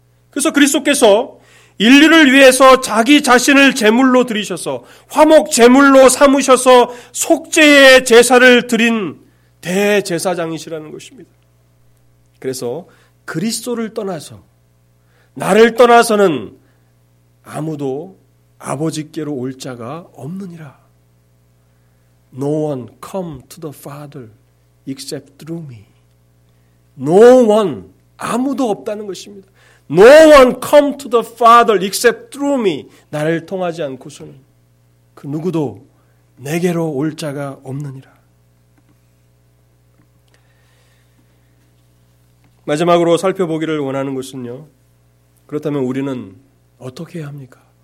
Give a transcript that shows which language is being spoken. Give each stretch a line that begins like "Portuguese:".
Korean: 그래서 그리스도께서 인류를 위해서 자기 자신을 제물로 드리셔서 화목 제물로 삼으셔서 속죄의 제사를 드린 대제사장이시라는 것입니다. 그래서 그리스도를 떠나서 나를 떠나서는 아무도 아버지께로 올 자가 없느니라.
English: No one come to the Father except through me. No one,
Korean: 아무도 없다는 것입니다.
English: No one come to the Father except through me.
Korean: 나를 통하지 않고서는 그 누구도 내게로 올 자가 없느니라. 마지막으로 살펴보기를 원하는 것은요. 그렇다면 우리는 어떻게 해야 합니까?